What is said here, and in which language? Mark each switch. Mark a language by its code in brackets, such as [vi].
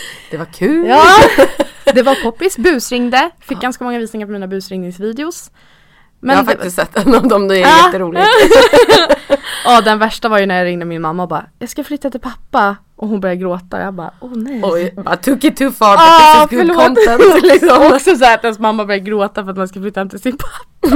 [sv] Det var kul. Ja. Det var poppis, busringde. Fick ganska många visningar på mina busringningsvideos. Men jag har faktiskt sett en av dem, det är jätteroligt. Ja, den värsta var ju när jag ringde min mamma och bara, jag ska flytta till pappa. Och hon började gråta, jag bara, åh nej. Oj, bara, [en] took it too far, but this is good content. [sv] Liksom. Också så här att ens mamma började gråta för att man ska flytta hem till sin pappa.